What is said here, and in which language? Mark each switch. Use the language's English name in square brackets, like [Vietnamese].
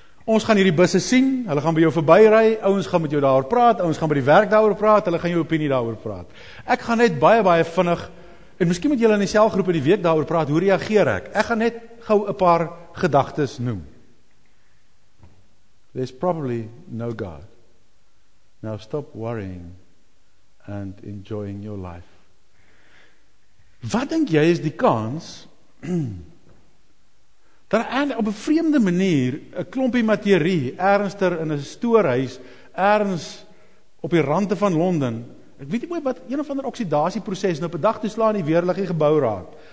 [Afrikaans] Ons gaan hierdie busse sien, hulle gaan by jou verby ry, ouens gaan met jou daaroor praat, ouens gaan by die werk daaroor praat, hulle gaan jou opinie daaroor praat. Ek gaan net baie baie vinnig en miskien met julle in die selgroep in die week daaroor praat, hoe reageer ek? Ek gaan net gou 'n paar gedagtes noem. [English] There's probably no God. Now stop worrying and enjoying your life. [Afrikaans] Wat dink jy is die kans dat op 'n vreemde manier 'n klompie materie ernster in 'n stoorhuis erns op die rande van Londen, ek weet nie mooi wat een of ander oksidasieproses nou op 'n dag toe slaan die weerliggie gebou raak.